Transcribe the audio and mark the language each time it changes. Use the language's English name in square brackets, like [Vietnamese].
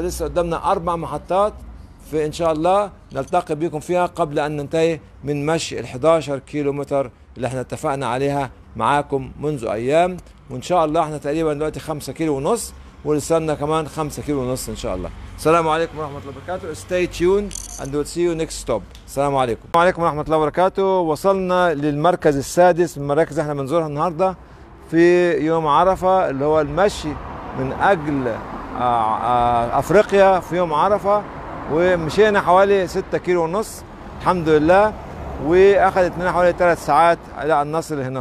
[Arabic] لسه قدامنا 4 محطات، فإن شاء الله نلتقي بكم فيها قبل أن ننتهي من مشي 11 كيلومتر اللي احنا اتفقنا عليها معاكم منذ أيام. وإن شاء الله احنا تقريبا دلوقتي 5.5 كيلو ولسنا كمان 5.5 كيلو إن شاء الله. السلام عليكم ورحمة الله وبركاته. [English] Stay tuned and we'll see you next stop. [Arabic] السلام عليكم. السلام عليكم ورحمة الله وبركاته. وصلنا للمركز السادس من مراكز احنا بنزورها النهاردة في يوم عرفة، اللي هو المشي من أجل أفريقيا في يوم عرفة. ومشينا حوالي 6.5 كيلو الحمد لله، واخذت منا حوالي 3 ساعات الى ان نصل هنا.